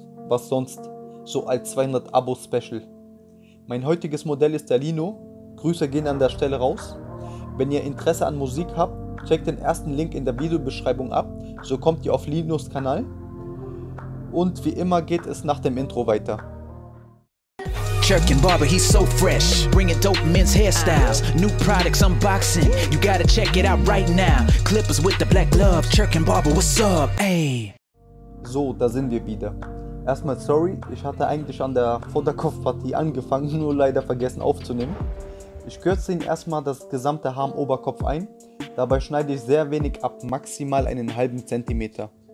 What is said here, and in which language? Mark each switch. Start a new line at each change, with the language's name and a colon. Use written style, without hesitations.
German: Was sonst? So als 200-Abo-Special. Mein heutiges Modell ist der Lino. Grüße gehen an der Stelle raus. Wenn ihr Interesse an Musik habt, checkt den ersten Link in der Videobeschreibung ab. So kommt ihr auf Linos Kanal. Und wie immer geht es nach dem Intro weiter.
English: Cherkin Barber, he's so fresh, bringing dope men's hairstyles, new products unboxing, you gotta check it out right now, Clippers with the black glove, Cherkin Barber, what's up, ey.
German: So, da sind wir wieder. Erstmal sorry, ich hatte eigentlich an der Vorderkopfpartie angefangen, nur leider vergessen aufzunehmen. Ich kürze ihn erstmal das gesamte Haar am Oberkopf ein, dabei schneide ich sehr wenig ab, maximal einen halben Zentimeter.